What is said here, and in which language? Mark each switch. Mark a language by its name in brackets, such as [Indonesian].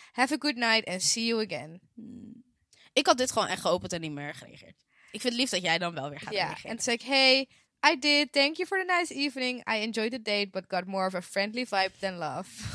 [English] Have a good night and see you again. [Dutch] Ik had dit gewoon echt geopend en niet meer gereageerd. Ik vind het lief dat jij dan wel weer gaat reageren. En zei ik, [English] hey, I did. Thank you for the nice evening. I enjoyed the date, but got more of a friendly vibe than love.